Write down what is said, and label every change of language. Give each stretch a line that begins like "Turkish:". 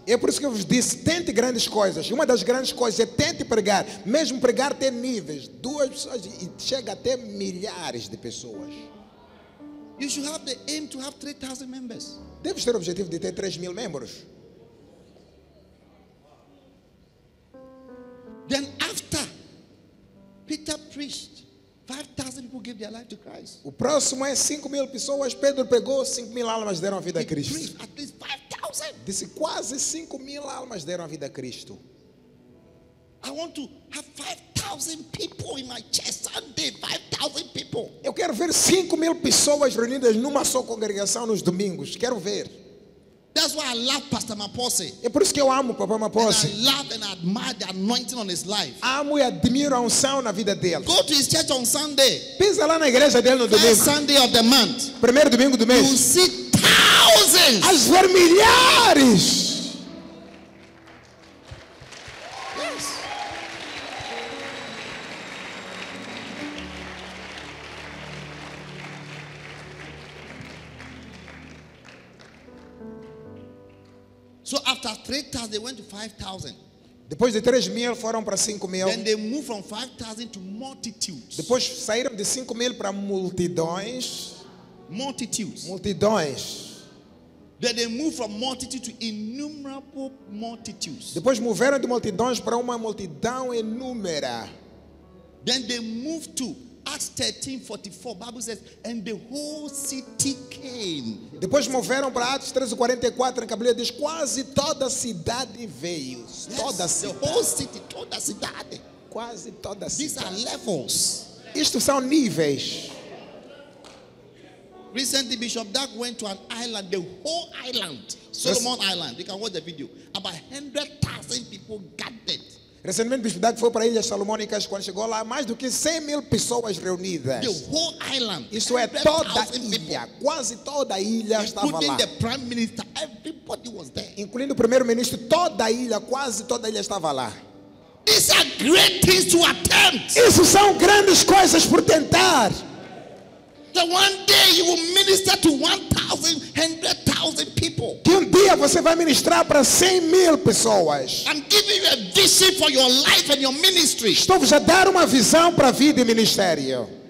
Portuguese: É por isso que eu vos disse, tente grandes coisas. Uma das grandes coisas é tente pregar. Mesmo pregar tem níveis. Duas pessoas e chega até milhares de pessoas.
English: You should have the aim to have 3,000 members.
Portuguese: Deve ter o objetivo de ter 3,000 membros.
English: Then after Peter preached, 5,000 people gave their life to Christ.
Portuguese: O próximo é 5,000 pessoas. Pedro pegou 5,000 almas, deram a vida a Cristo.
English: Preached at least 5,000.
Portuguese: Disse quase 5,000 almas deram a vida a Cristo.
English: I want to have 5,000 people in my church Sunday. 5,000 people.
Portuguese: Eu quero ver 5,000 pessoas reunidas numa só congregação nos domingos. Quero ver.
English: That's why I love Pastor Maposse.
Portuguese: É por isso que eu amo o Papai Maposse.
English: And I love and admire the anointing on his life.
Portuguese: Amo e admiro a unção na vida dele.
English: Go to his church on Sunday.
Portuguese: Pisa lá na igreja dele no
English: first
Portuguese: domingo.
English: Sunday of the month.
Portuguese: Primeiro domingo do mês.
English: You see thousands.
Portuguese: As ver milhares.
English: So after 3,000 they went to 5,000.
Portuguese: Depois de 3,000 foram para 5,000.
English: Then they moved from 5,000 to multitudes.
Portuguese: Depois saíram de 5,000 para multidões.
English: Multitudes.
Portuguese: Multidões.
English: Then they moved from multitude to innumerable multitudes.
Portuguese: Depois moveram de multidões para uma multidão inúmera.
English: Then they moved to Acts 13:44. Bible says, and the whole city came.
Portuguese: Depois moveram para Atos 13:44, na Bíblia diz quase toda a cidade veio.
English: Yes,
Portuguese: toda a cidade.
English: The whole city,
Portuguese: toda a cidade. Quase toda a
English: These
Portuguese: cidade.
English: These are levels.
Portuguese: Isto são níveis.
English: Recently, Bishop Doug went to an island, the whole island, Solomon Island. You can watch the video. About 100,000 people gathered.
Portuguese: Recentemente, Bishop Doug foi para Ilhas Salomônicas. Quando chegou lá, mais do que 100 mil pessoas reunidas.
English: The whole island.
Portuguese: Isso é toda a ilha.
English: People.
Portuguese: Quase toda a ilha estava
English: Including
Portuguese: lá.
English: Including the Prime Minister, everybody was there.
Portuguese: Incluindo o Primeiro-Ministro, toda a ilha, quase toda a ilha estava lá.
English: These are great things to attempt.
Portuguese: Isso são grandes coisas por tentar.
English: That one day you will minister to 100,000 people.
Portuguese: Que dia você vai ministrar para 100 mil pessoas?
English: I'm giving you a vision for your life and your ministry.
Portuguese: Estou vos a dar uma visão para a vida e ministério.